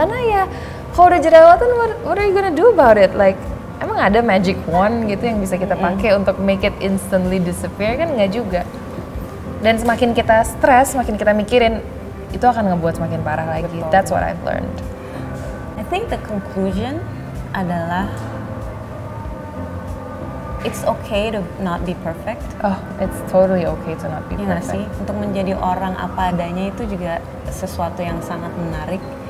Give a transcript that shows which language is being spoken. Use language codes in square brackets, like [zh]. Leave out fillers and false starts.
[id] Karena ya kalau udah jerawatan, [en] what are you gonna do about it? [id] Like emang ada magic wand gitu yang bisa kita pakai untuk [en] make it instantly disappear? [id] Kan nggak juga. Dan semakin kita stres, semakin kita mikirin, itu akan ngebuat semakin parah lagi. Betul. [en] That's what I've learned. I think the conclusion adalah it's okay to not be perfect. Oh, it's totally okay to not be perfect. [id] Ya sih, untuk menjadi orang apa adanya itu juga sesuatu yang sangat menarik.